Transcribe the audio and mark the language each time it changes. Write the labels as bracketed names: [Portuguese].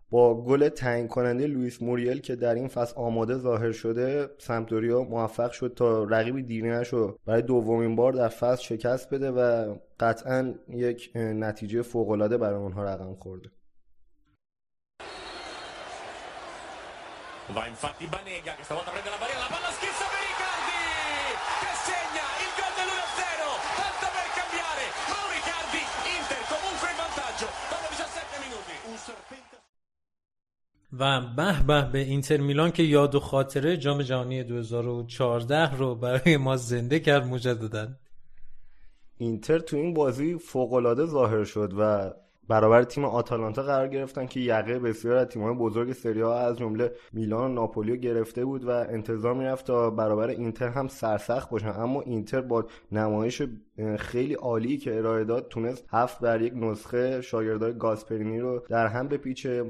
[Persian] با گل تعیین کننده لوئیس موریل که در این فصل آماده ظاهر شده، سمپدوریا موفق شد تا رقیب دیرینه‌اش رو برای دومین بار در فصل شکست بده و قطعا یک نتیجه فوق‌العاده برای اونها رقم خورده. [Italian] Va infatti Banega che stavolta prende la barriera, la palla schizza per Icardi che segna il gol dell'1-0, tanto per cambiare, Mauro Icardi, Inter comunque in vantaggio dopo 17 minuti, un serpente. [Persian] و به به به اینتر میلان که یاد و خاطره جام جهانی 2014 رو برای ما زنده کرد مجددن. اینتر تو این بازی فوق‌العاده ظاهر شد و برابر تیم آتالانتا قرار گرفتن که یقه بسیار از تیم‌های بزرگ سری آ از جمله میلان و ناپولی گرفته بود و انتظار می‌رفت تا برابر اینتر هم سرسخت باشن، اما اینتر با نمایش خیلی عالی که ارائه داد تونست 7-1 نسخه شاگردای گاسپرینی رو در هم بپیچه.